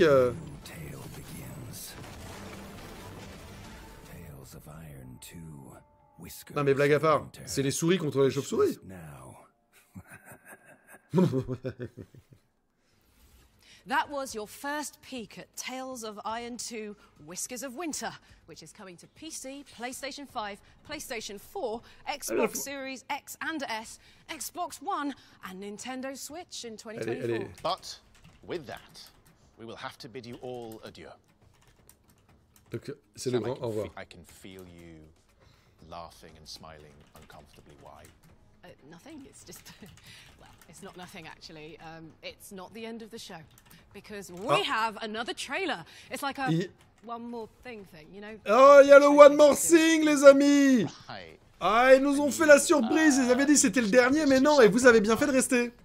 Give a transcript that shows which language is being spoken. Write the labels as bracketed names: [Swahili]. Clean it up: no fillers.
[French] Non mais blague à part, c'est les souris contre les chauves-souris. [English] That was your first peek at Tales of Iron 2, Whiskers of Winter, which is coming to PC, PlayStation 5, PlayStation 4, Xbox Series X and S, Xbox One, and Nintendo Switch in 2024. [French] Allez, allez. [English] But with that, we will have to bid you all adieu. [French] Donc, c'est le grand au revoir. [English] I can feel you laughing and smiling uncomfortably. Why? Nothing, it's just... It's not nothing, actually. It's not the end of the show. Because we have another trailer. It's like a one more thing, you know? [French] Oh, il y a le [English] one more thing, [French] les amis! Ah, ils nous ont fait la surprise! Ils avaient dit que c'était le dernier, mais non, et vous avez bien fait de rester.